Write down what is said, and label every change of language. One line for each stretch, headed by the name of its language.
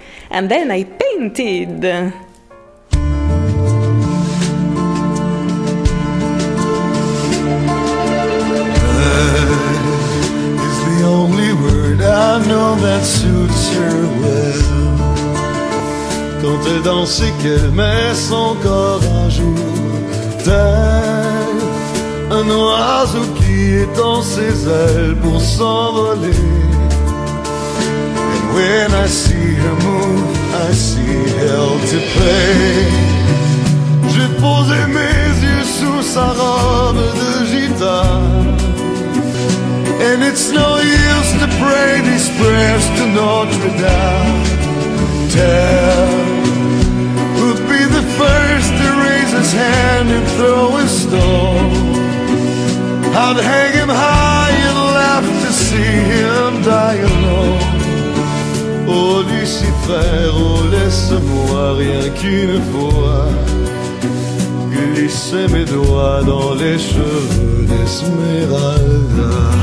English: And then I painted. Is the only word I know that suits her well.
French: Quand elle danse et qu'elle met son corps à jour, tel un oiseau qui étend ses ailes pour s'envoler.
English: And when I see her move, I see hell to pay.
French: J'ai posé mes yeux sous sa robe de gitane.
English: And it's no use to pray these prayers to Notre Dame. Tell who'd be the first to raise his hand and throw a stone. I'd hang him high and laugh to see him die alone.
French: Oh Lucifer, oh laisse-moi rien qu'une fois glisser mes doigts dans les cheveux d'Esmeralda.